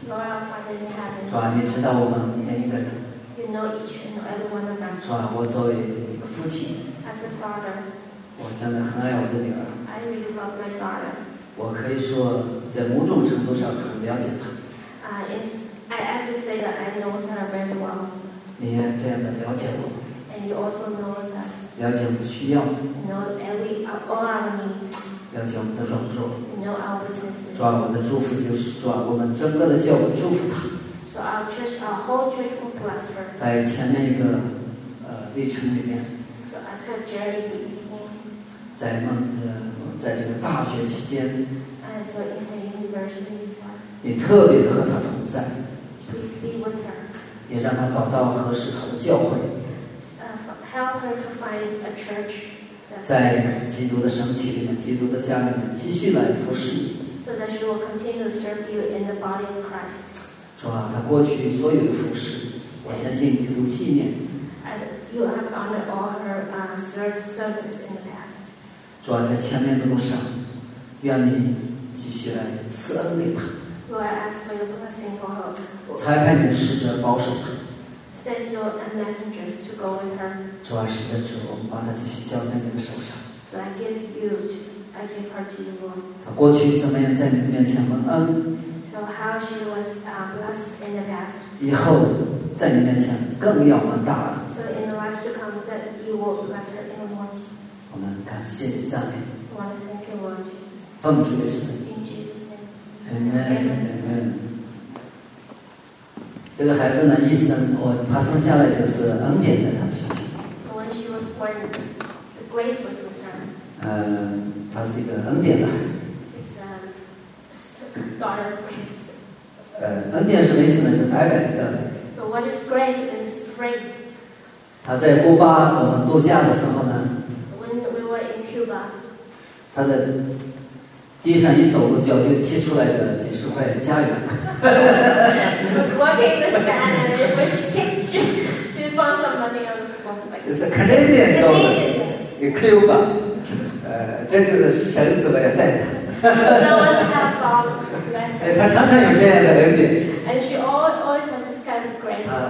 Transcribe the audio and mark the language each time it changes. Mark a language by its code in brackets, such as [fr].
[zh] 主啊，你知道我们每一个人。主啊，我作为一个父亲。 [en] As a father, [zh] 我真的很爱我的女儿。 [en] I really love my daughter. [zh] 我可以说，在某种程度上很了解她。 [en] I have to say that I know her very well. [zh] 你也这样的了解我。 [en] And you also know us. [zh] 了解我们的需要 [en] know every, all our needs. [zh] 了解我们的软弱 [en] know our weaknesses. [zh] 主啊，我们的祝福就是主啊，我们整个的教会祝福他 [en] so our church, our whole church will bless her. [zh] 在前面一个历程里面 [en] so as her journey began, [zh] 在这个大学期间 [en] and so in her university as well. [zh] 你特别的和他同在 [en] please be with her. [zh] 也让他找到合适他的教会 [en] Help her to find a church. [zh] 在基督的身体里面，基督的家里面，继续来服侍。 [en] So that she will continue to serve you in the body of Christ. [zh] 主啊，他过去所有的服侍，我相信你都纪念。 [en] And you have honored all her service in the past. [zh] 主啊，在前面的路上，愿你继续来赐恩给他。 [en] Lord, I ask for your blessing for her. [zh] 差派你的使者保守他。 [en] Send your messengers to go with her. [zh] 主啊，使得主，我们把她继续交在你的手上。 [en] So I give her to you. [zh] 她过去怎么样在你的面前蒙恩 [en] ？So how she was blessed in the past. [zh] 以后在你面前更要蒙大恩。 [en] So in the lives to come, that you will bless her even more. [zh] 我们感谢你赞美。 [en] I want to thank you, Lord Jesus. [zh] 奉主耶稣的名。 [en] In Jesus' name. Amen. Amen. [zh] 这个孩子呢，一生我他生下来就是恩典在他的身上。 [en] When she was born, the grace was with her. [zh] 他是一个恩典的孩子。 [en] She's a daughter of grace. [zh] 恩典什么意思呢？就白白的。 [en] So what is grace? It is free. [zh] 他在古巴我们度假的时候呢。 [en] When we were in Cuba. [zh] 他的地上一走路，脚就踢出来了几十块加元。 [en] She was walking the sand, and when she found some money, I was like, "Just a Canadian dollar, Canadian, [zh] Cuba." 这就是神怎么样带他。 [en] That was half dollar. [zh] 所以他常常有这样的恩典。 [en] And she always has this kind of grace.